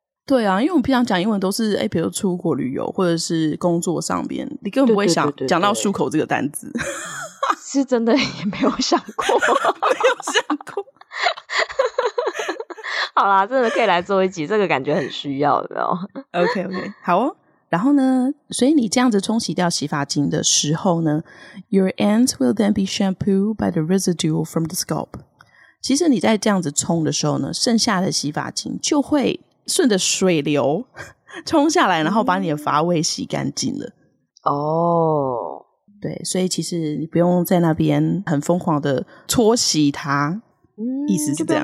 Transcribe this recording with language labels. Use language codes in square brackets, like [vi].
[zh] 对啊，因为我们平常讲英文都是比如出国旅游或者是工作上边，你根本不会想讲到漱口这个单字。是真的也没有想过。没有想过。好啦，真的可以来做一集，这个感觉很需要的哦。OK OK， 好哦。然后呢，所以你这样子冲洗掉洗发精的时候呢， [en] Your ends will then be shampooed by the residue from the scalp。 [zh] 其实你在这样子冲的时候呢，剩下的洗发精就会顺着水流冲下来，然后把你的发尾洗干净了。哦，对，所以其实你不用在那边很疯狂的搓洗它，意思是这样，